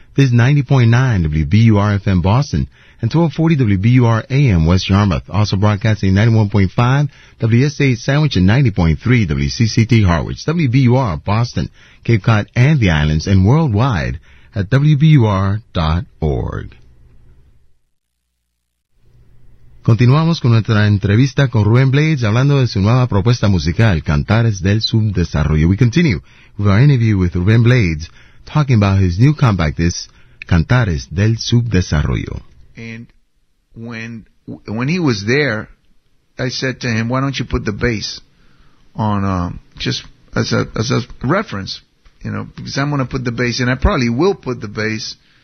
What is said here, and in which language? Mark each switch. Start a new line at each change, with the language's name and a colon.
English: This is 90.9 WBUR-FM Boston and 1240 WBUR-AM West Yarmouth, also broadcasting 91.5 WSA Sandwich and 90.3 WCCT Harwich, WBUR Boston, Cape Cod and the Islands, and worldwide at WBUR.org.
Spanish: Continuamos con nuestra entrevista con Ruben Blades, hablando de su nueva propuesta musical, Cantares del Subdesarrollo.
English: We continue with our interview with Ruben Blades, talking about his new compact disc, Cantares del Subdesarrollo. And when he was there, I said to him, why don't you put the bass on just as a reference, you know, because I'm going to put the bass, and I probably will put the bass